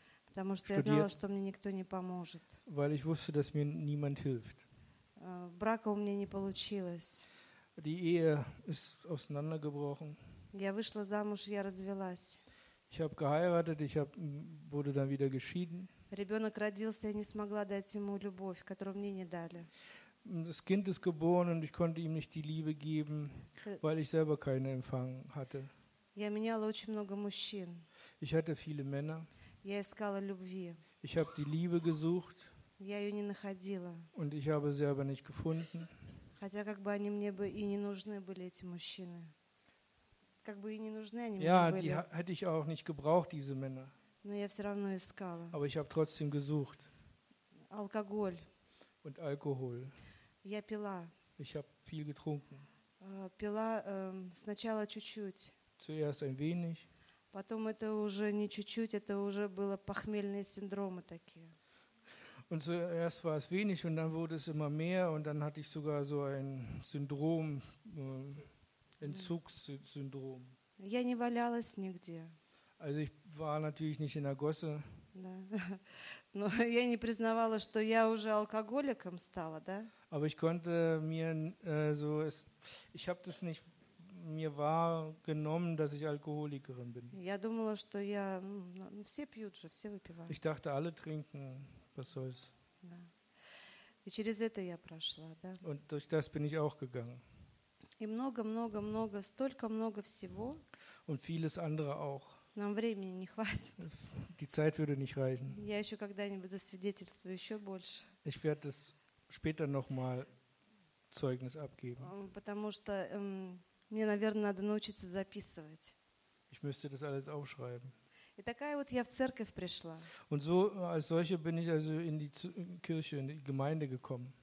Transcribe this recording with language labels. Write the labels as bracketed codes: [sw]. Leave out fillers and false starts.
[ru] Потому что [de] studiert, [ru] я знала, что мне никто не поможет. [de] Weil ich wusste, dass mir niemand hilft. [ru] Брака у меня не получилось. [de] Die Ehe ist auseinandergebrochen. [ru] Я вышла замуж, я развелась. [de] Ich habe geheiratet, ich hab, wurde dann wieder geschieden. [ru] Ребенок родился, я не смогла дать ему любовь, которую мне не дали. [de] Das Kind ist geboren und ich konnte ihm nicht die Liebe geben, weil ich selber keine empfangen hatte. [ru] Я меняла очень много мужчин. [de] Ich hatte viele Männer. [ru] Я искала любви. [de] Ich habe die Liebe gesucht. [ru] Я ее не находила. [de] Und ich habe sie aber nicht gefunden. [ru] Хотя как бы они мне бы и не нужны были, эти мужчины. Как бы и не нужны они [de] ja, die hätte ich auch nicht gebraucht, diese Männer. [ru] Но я все равно искала. [de] Aber ich habe trotzdem gesucht. [ru] Алкоголь. [de] Und Alkohol. [ru] Я пила. [de] Ich habe viel getrunken. [ru] Пила сначала чуть-чуть. [de] Zuerst ein wenig. [ru] Потом это уже не чуть-чуть, это уже было похмельные синдромы такие. [de] Und zuerst war es wenig und dann wurde es immer mehr und dann hatte ich sogar so ein Syndrom. Entzugssyndrom. [ru] Я не валялась нигде. [de] Also ich war natürlich nicht in der Gosse. [ru] Да. Но я не признавала, что я уже алкоголиком стала, да? [de] Aber ich konnte mir so es, ich habe das nicht mir wahrgenommen, dass ich Alkoholikerin bin. [ru] Я думала, что я все пьют же, все выпивают. [de] Ich dachte, alle trinken, was soll's. [ru] Да. И через это я прошла, да? [de] Und durch das bin ich auch gegangen. [ru] И много-много-много, столько много всего. [de] Und vieles andere auch. [ru] Нам времени не хватит. [de] Die Zeit würde nicht reichen. [ru] Я еще когда-нибудь засвидетельствую еще больше. [de] Ich werde das später nochmal Zeugnis abgeben. [ru] Потому что мне, наверное, надо научиться записывать. [de] Ich müsste das alles aufschreiben. [ru] И такая вот я в церковь пришла. [de] Und so als solche bin ich also in die Kirche, in die Gemeinde gekommen.